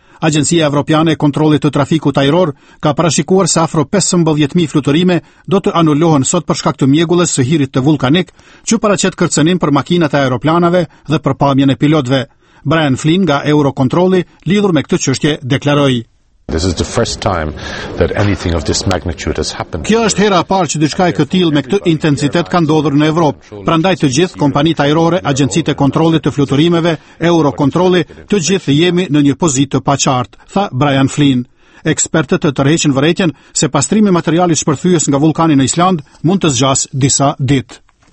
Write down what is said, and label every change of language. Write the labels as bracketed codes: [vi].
[sq] Agjencia Evropiane e Kontrollit të Trafikut Ajror ka parashikuar se afro 15.000 fluturime do të anulohen sot për shkak të mjegullës së hirit të vulkanik, që paraqet kërcënim për makinat e aeroplanave dhe për pamjen e pilotëve. Brian Flynn nga Eurokontrolli, lidhur me këtë çështje, deklaroi: [en] This is the first time that anything of this magnitude has happened. [sq] Kjo është hera e parë që diçka e këtill me këtë intensitet ka ndodhur në Evropë. Prandaj të gjithë kompanitë ajrore, agjencitë e kontrollit të fluturimeve, Eurokontrolli, të gjithë jemi në një pozitë të paqartë, tha Brian Flynn. Ekspertët të tërheqin vërejtjen se pastrimi materialit shpërthyes nga vulkani në Islandë mund të zgjasë disa ditë.